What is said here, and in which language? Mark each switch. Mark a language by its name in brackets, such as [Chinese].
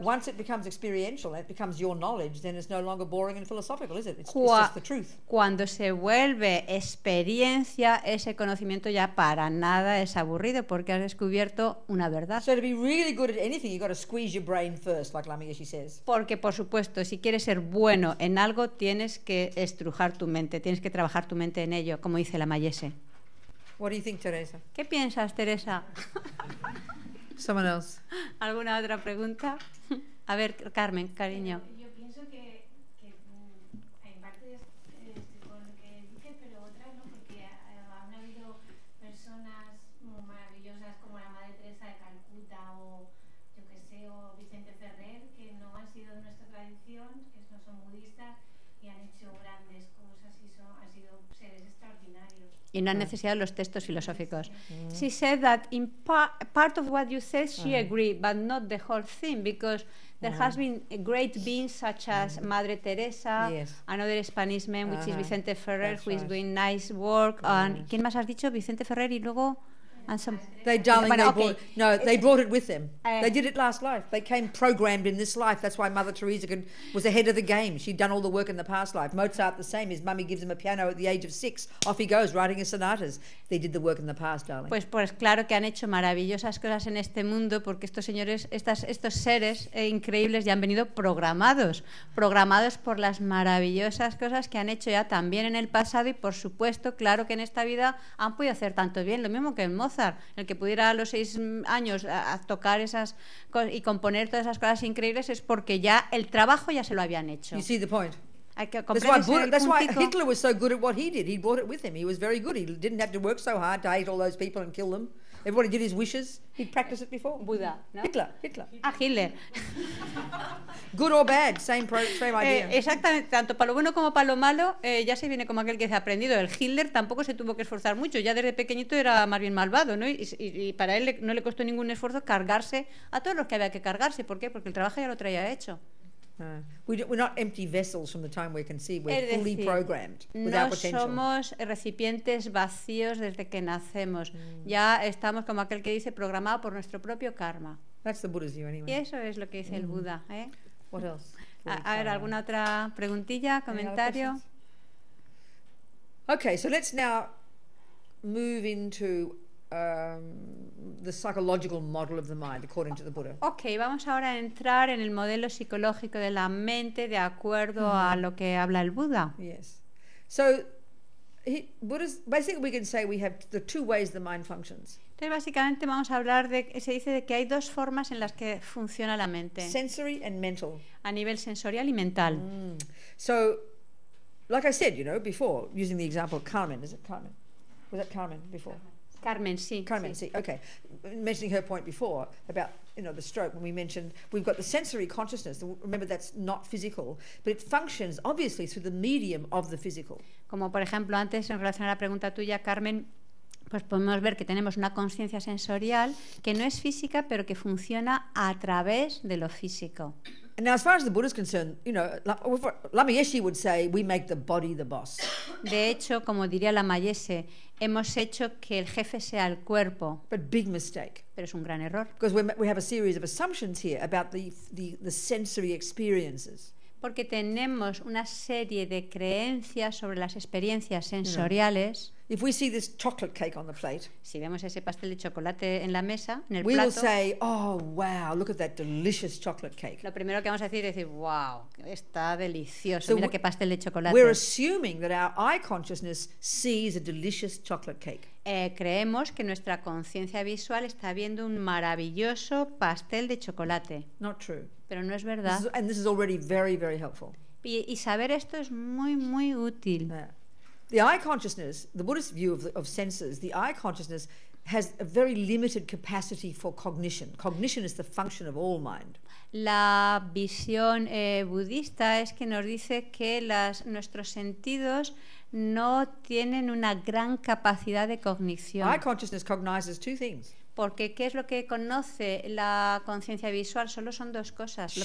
[English] once it becomes experiential and it becomes your knowledge, then it's no longer boring and philosophical, is it? It's just the truth. [Spanish] Cuando se vuelve experiencia, ese conocimiento ya para nada es aburrido porque has descubierto una verdad. [English] So to be really good at anything, you've got to squeeze your brain first, like Lamiashi says. [Spanish] Porque, por supuesto, si quieres ser bueno en algo, tienes que estrujar tu mente, tienes que trabajar tu mente en ello, como dice Lamiashi. [English] What do you think, Teresa? [Spanish] ¿Qué piensas, Teresa? [English] Someone else. [Spanish] ¿Alguna otra pregunta? A ver, Carmen, cariño. Yo pienso que en parte estoy con lo que dice, pero otra no, porque han habido personas maravillosas como la Madre Teresa de Calcuta o yo qué sé, o Vicente Ferrer, que no han sido de nuestra tradición, que no son budistas y han hecho grandes cosas y son, han sido seres extraordinarios. Y no han necesitado los textos filosóficos. [English] She said that in part of what you said she agreed, but not the whole thing, because there has been great beings such as Madre Teresa, another Spanish man, which is Vicente Ferrer, who is doing nice work. [Spanish] And ¿quién más has dicho? Vicente Ferrer y luego... [English] And some, they darling, but, they okay. brought, no, they brought it with them. They did it last life. They came programmed in this life. That's why Mother Teresa could, was ahead of the game. She'd done all the work in the past life. Mozart, the same. His mummy gives him a piano at the age of 6. Off he goes, writing his sonatas. They did the work in the past, darling. [Spanish] Pues, pues claro que han hecho maravillosas cosas en este mundo porque estos señores, estas, estos seres increíbles ya han venido programados. Programados por las maravillosas cosas que han hecho ya también en el pasado y, por supuesto, claro que en esta vida han podido hacer tanto bien. Lo mismo que en Mozart, el que pudiera a los 6 años a tocar esas y componer todas esas cosas increíbles es porque ya el trabajo ya se lo habían hecho. [English] You see the point. [Spanish] Hay que comprender. [English] That's why Hitler was so good at what he did. He brought it with him. He was very good. He didn't have to work so hard to hate all those people and kill them. Everybody did his wishes. He practiced it before. [Spanish] Buda, ¿no? Hitler. Ah, Hitler. [English] Good or bad, same idea. [Spanish] Exactamente, tanto para lo bueno como para lo malo, ya se viene como aquel que se ha aprendido. El Hitler tampoco se tuvo que esforzar mucho, ya desde pequeñito era más bien malvado, ¿no? Y para él no le costó ningún esfuerzo cargarse a todos los que había que cargarse. ¿Por qué? Porque el trabajo ya lo traía hecho. [English] We're not empty vessels from the time we can see. We're fully programmed with our potential. [Spanish] No somos recipientes vacíos desde que nacemos. Ya estamos como aquel que dice programado por nuestro propio karma. [English] That's the Buddha's view, anyway. [Spanish] Y eso es lo que dice el Buda, ¿eh? [English] What else? [Spanish] A ver, alguna otra preguntilla, comentario. [English] Okay, so let's now move into the psychological model of the mind, according to the Buddha. [Spanish] Okay, vamos ahora a entrar en el modelo psicológico de la mente de acuerdo a lo que habla el Buddha. [English] Yes. So, Buddha's, basically we can say we have the two ways the mind functions. [Spanish] Entonces, básicamente vamos a hablar de, se dice de que hay dos formas en las que funciona la mente. [English] Sensory and mental. [Spanish] A nivel sensorial y mental. [English] So, like I said, you know, before, using the example of Carmen, is it Carmen? Was that Carmen before? [Spanish] Carmen, sí. [English] Okay. Mentioning her point before about, you know, the stroke, when we mentioned we've got the sensory consciousness. Remember, that's not physical, but it functions obviously through the medium of the physical. [Spanish] Como por ejemplo antes en relación a la pregunta tuya, Carmen, pues podemos ver que tenemos una conciencia sensorial que no es física, pero que funciona a través de lo físico. [English] And now, as far as the Buddha is concerned, you know, Lamayeshi would say we make the body the boss. [Spanish] De hecho, como diría Lamayeshi, hemos hecho que el jefe sea el cuerpo. [English] But big mistake. [Spanish] Pero es un gran error. [English] Because we have a series of assumptions here about the sensory experiences. [Spanish] Porque tenemos una serie de creencias sobre las experiencias sensoriales. No. [English] If we see this chocolate cake on the plate, [Spanish] si vemos ese pastel de chocolate en la mesa, en el [English] we [Spanish] plato, [English] will say, oh, wow, look at that delicious chocolate cake. [Spanish] Lo primero que vamos a decir es decir, wow, está delicioso, so mira qué pastel de chocolate. [English] We're assuming that our eye consciousness sees a delicious chocolate cake. [Spanish] Creemos que nuestra conciencia visual está viendo un maravilloso pastel de chocolate. [English] Not true. [Spanish] Pero no es verdad. [English] This is already very, very helpful. [Spanish] Y saber esto es muy, muy útil. [English] The eye consciousness, the Buddhist view of senses, the eye consciousness has a very limited capacity for cognition. Cognition is the function of all mind. [Spanish] La visión budista es que nos dice que nuestros sentidos no tienen una gran capacidad de cognición. [English] Eye consciousness cognizes two things. [Spanish] Porque qué es lo que conoce la conciencia visual, solo son dos cosas, lo